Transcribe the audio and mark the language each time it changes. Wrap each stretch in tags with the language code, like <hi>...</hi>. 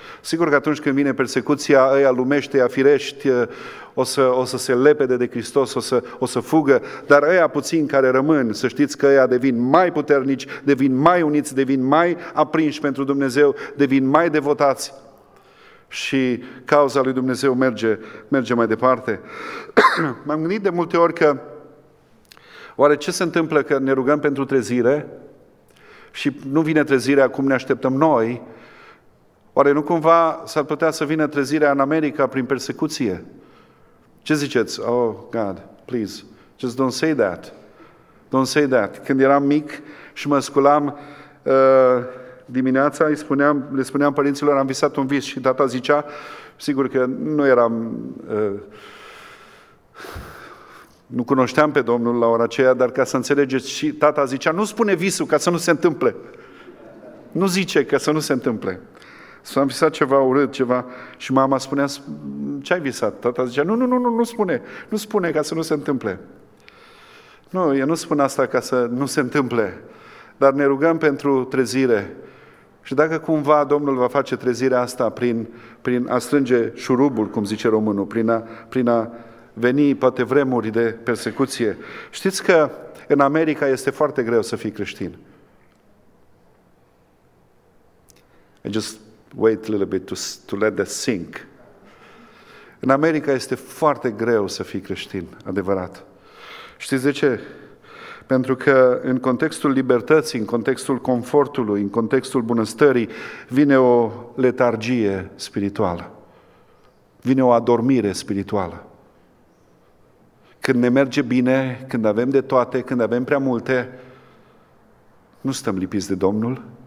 <ro>Sigur că atunci când vine persecuția, ăia lumește, ăia firești, o să se lepede de Hristos, o să fugă, dar ăia puțini care rămân, să știți că ăia devin mai puternici, devin mai uniți, devin mai aprinși pentru Dumnezeu, devin mai devotați și cauza lui Dumnezeu merge mai departe. M-am gândit de multe ori că oare ce se întâmplă că ne rugăm pentru trezire și nu vine trezirea cum ne așteptăm noi? Oare nu cumva s-ar putea să vină trezirea în America prin persecuție? Ce ziceți?</ro> <en>Oh, God, please, just don't say that. Don't say that.</en> <ro>Când eram mic și mă sculam dimineața, le spuneam părinților, am visat un vis, și tata zicea, sigur că nu eram, nu cunoșteam pe Domnul la ora aceea, dar ca să înțelegeți, și tata zicea, nu spune visul ca să nu se întâmple. Nu zice ca să nu se întâmple. S-a visat ceva urât, ceva, și mama spunea, ce ai visat? Tata zicea, nu spune ca să nu se întâmple. Nu, eu nu spun asta ca să nu se întâmple, dar ne rugăm pentru trezire. Și dacă cumva Domnul va face trezirea asta prin a strânge șurubul, cum zice românul, prin a veni poate vremuri de persecuție. Știți că în America este foarte greu să fii creștin.</ro> <en>Wait a little bit to let that sink.</en> <ro>În America este foarte greu să fii creștin, adevărat. Știți de ce? Pentru că în contextul libertății, în contextul confortului, în contextul bunăstării, vine o letargie spirituală. Vine o adormire spirituală. Când ne merge bine, când avem de toate, când avem prea multe, nu stăm lipiți de Domnul.</ro>